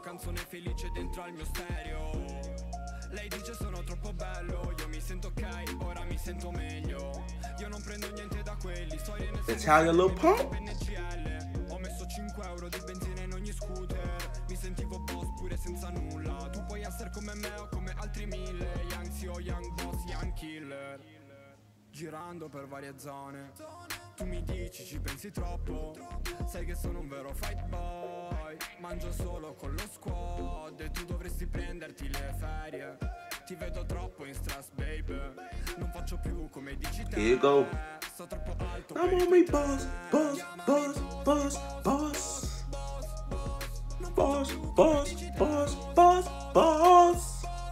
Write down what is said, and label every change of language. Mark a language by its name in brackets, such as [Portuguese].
[Italian] Canzone felice dentro al mio stereo. Lei dice sono troppo bello. Io mi sento. sento meglio. Io non prendo niente da quelli. [English] Italian little pump. [Italian] Ho messo 5 euro di benzina in ogni scooter. Mi sentivo boss pure senza nulla. Tu puoi essere come me o come altri mille. [English] Young CEO, young boss, young killer. [Italian] Girando per varie zone. Tu mi dici ci pensi troppo. Sai che sono un vero fight boy. Mangio solo con lo squad. E tu dovresti prenderti le ferie. Ti vedo troppo in stress, babe. Non faccio più come dici te. [English] Here you go. [Italian] Sto troppo alto. [English] I'm on me boss, boss, boss, boss, boss. Boss, boss, boss, boss, boss.